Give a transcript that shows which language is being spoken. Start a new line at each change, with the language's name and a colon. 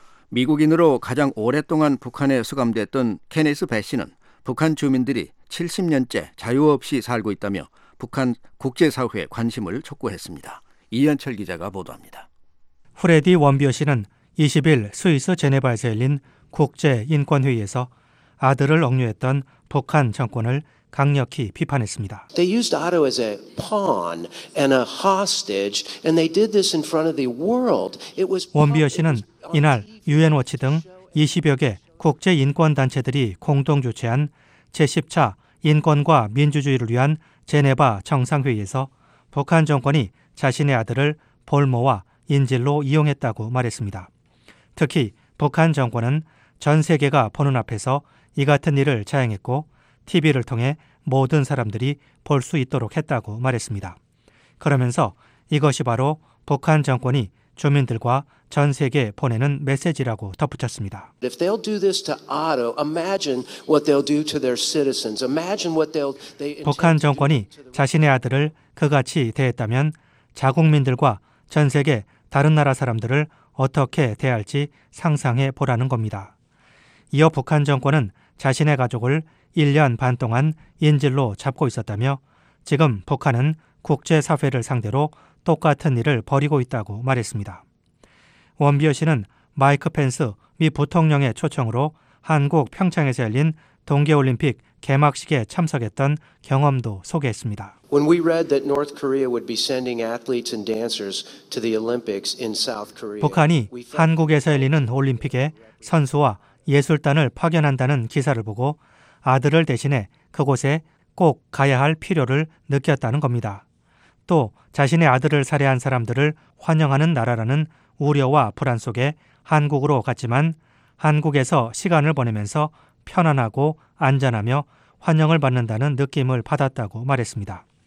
Korean: 미국인으로 가장 오랫동안 북한에 수감됐던 케네스 배 씨는 북한 주민들이 70년째 자유 없이 살고 있다며 북한 국제사회의 관심을 촉구했습니다. 이현철 기자가 보도합니다. 프레디 원비어 씨는 20일 스위스 제네바에서 열린 국제인권회의에서 아들을 억류했던 북한 정권을 강력히 비판했습니다.
English: They used Otto as a pawn and a hostage, and they did this in front of the world. It was
Korean: 원비어 씨는 이날 UN 워치 등 20여 개 국제 인권 단체들이 공동 주최한 제10차 인권과 민주주의를 위한 제네바 정상회의에서 북한 정권이 자신의 아들을 볼모와 인질로 이용했다고 말했습니다. 특히 북한 정권은 전 세계가 보는 앞에서 이 같은 일을 자행했고 TV를 통해 모든 사람들이 볼 수 있도록 했다고 말했습니다. 그러면서 이것이 바로 북한 정권이 주민들과 전 세계에 보내는 메시지라고 덧붙였습니다.
English: If they'll do this to Otto, imagine what they'll do to their citizens. Imagine what they'll they
Korean: 북한 정권이 자신의 아들을 그같이 대했다면 자국민들과 전 세계 다른 나라 사람들을 어떻게 대할지 상상해 보라는 겁니다. 이어 북한 정권은 자신의 가족을 1년 반 동안 인질로 잡고 있었다며 지금 북한은 국제사회를 상대로 똑같은 일을 벌이고 있다고 말했습니다. 원비어 씨는 마이크 펜스 미 부통령의 초청으로 한국 평창에서 열린 동계올림픽 개막식에 참석했던 경험도 소개했습니다.
English: When we read that North Korea would be sending athletes and dancers to the Olympics in South Korea,
Korean: 북한이 한국에서 열리는 올림픽에 선수와 예술단을 파견한다는 기사를 보고 아들을 대신해 그곳에 꼭 가야 할 필요를 느꼈다는 겁니다. 또 자신의 아들을 살해한 사람들을 환영하는 나라라는 우려와 불안 속에 한국으로 갔지만 한국에서 시간을 보내면서 편안하고 안전하며 환영을 받는다는 느낌을 받았다고 말했습니다.